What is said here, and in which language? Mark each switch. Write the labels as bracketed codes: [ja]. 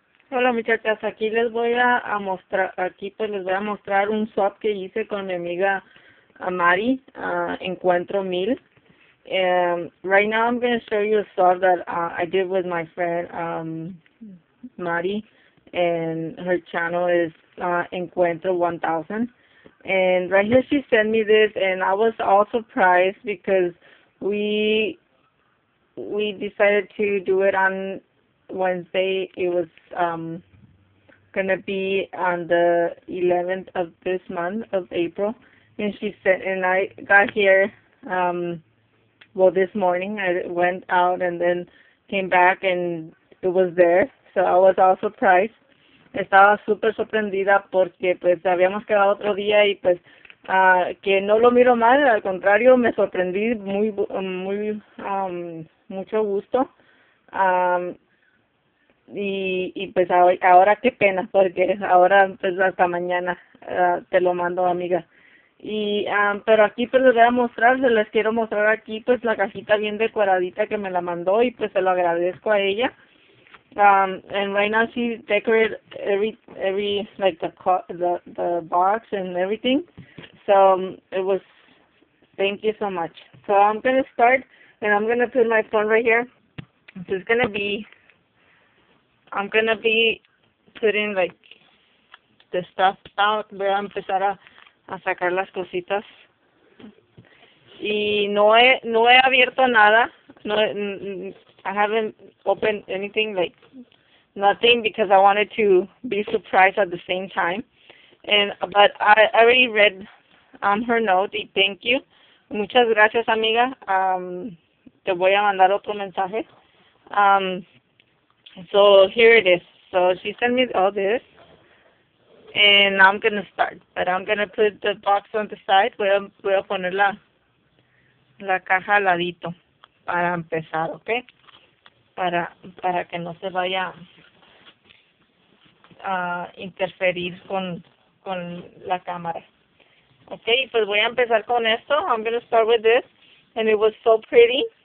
[es] Hola muchachas, aquí les voy a mostrar, aquí pues les voy a mostrar un swap que hice con mi amiga Mari, Encuentro 1000. [en] Right now I'm going to show you a swap that I did with my friend Mari, and her channel is Encuentro 1000. And right here she sent me this, and I was all surprised because we decided to do it on Wednesday. It was gonna be on the 11th of this month of April, and she said, and I got here well, this morning I went out and then came back and it was there, so I was all surprised. [es] Estaba super sorprendida porque pues habíamos quedado otro día y pues que no lo miro mal, al contrario, me sorprendí mucho gusto. Y pues ahora qué pena, porque ahora pues hasta mañana te lo mando, amiga. Y pero aquí pues les voy a mostrar, se les quiero mostrar aquí pues la cajita bien decoradita que me la mandó, y pues se lo agradezco a ella. [en] And right now she decorated every like the box and everything. So it was, thank you so much. So I'm gonna start, and I'm gonna put my phone right here. I'm gonna be putting like the stuff out. [es] Voy a empezar a sacar las cositas. Y no he abierto nada. [en] No, I haven't opened anything, like nothing, because I wanted to be surprised at the same time. But I already read her note, y thank you. [es] Muchas gracias, amiga. Te voy a mandar otro mensaje. [en] So here it is. So she sent me all this, and now I'm gonna start. But I'm gonna put the box on the side. [es] Voy a poner la caja al ladito para empezar, ¿okay? Para que no se vaya a interferir con la cámara. Okay, pues voy a empezar con esto. [en] I'm gonna start with this, and it was so pretty.